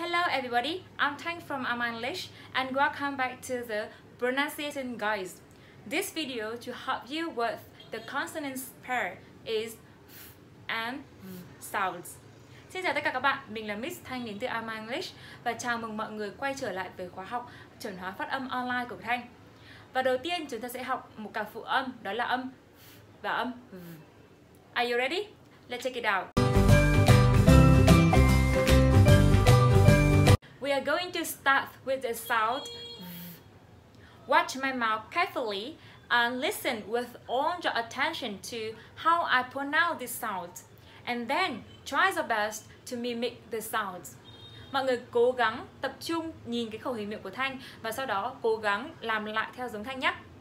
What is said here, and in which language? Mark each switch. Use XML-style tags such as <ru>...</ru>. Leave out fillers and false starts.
<en>everybody, I'm Thông from AmarEnglish and welcome back to the pronunciation guide. This video to help you with the consonant pair is F and V sounds.</en> <vi>Xin chào tất cả các bạn, mình là Miss Thông đến từ AmarEnglish và chào mừng mọi người quay trở lại với khóa học chuẩn hóa phát âm online của Thông. Và đầu tiên chúng ta sẽ học một cặp phụ âm, đó là âm F và âm V.</vi> <en>Are you ready? Let's check it out. We are going to start with the sound V. Watch my mouth carefully and listen with all your attention to how I pronounce this sound. And then try your best to mimic the sound.</en> <vi>Mọi người cố gắng tập trung nhìn cái khẩu hình miệng của Thanh và sau đó cố gắng làm lại theo giống Thanh nhé.</vi>